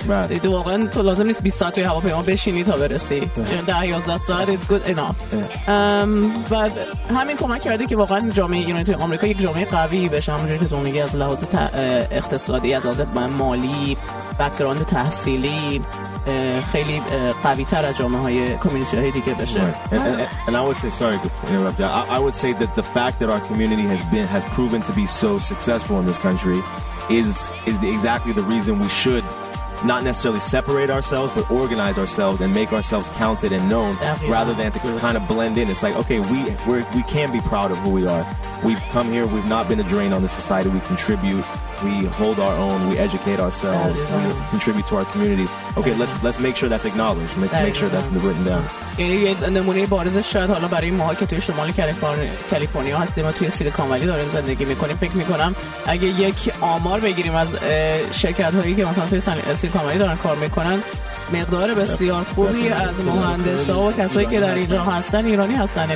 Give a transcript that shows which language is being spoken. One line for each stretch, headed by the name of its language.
Persian: تو واقعا تو لازم نیست 20 ساعت توی هواپیما بشینی تا برسی، 10 11 ساعت
English: is good enough.
Persian: بعد همین کمک کرده که واقعا جامعه ایرانی توی آمریکا یک جامعه قوی بشه، همونجوری که تو میگی، از لحاظ اقتصادی، از لحاظ مالی، بک‌گراند تحصیلی خیلی قوی تر از جامعه های کمیونیتی های دیگه بشه.
English: And I would say, sorry to interrupt you, I would say that the fact that our community has proven to be so successful in this country is exactly the reason we should not necessarily separate ourselves but organize ourselves and make ourselves counted and known, rather than to kind of blend in. It's like, okay, we can be proud of who we are. We've come here, we've not been a drain on the society, we contribute, we hold our own, we educate ourselves, we contribute to our communities. Okay, let's make sure that's acknowledged, make sure that's written down.
Persian: یعنی یه نمونه بارزه شاید حالا برای ماها که توی شمال کالیفرنیا هستیم و توی سیلیکون ولی داریم زندگی میکنیم، فکر میکنم اگه یک آمار بگیریم از شرکت هایی که مثلا توی سیلیکون ولی دارن کار میکنن، مقدار بسیار خوبی از مهندس ها و کسایی که در اینجا هستن ایرانی هستن.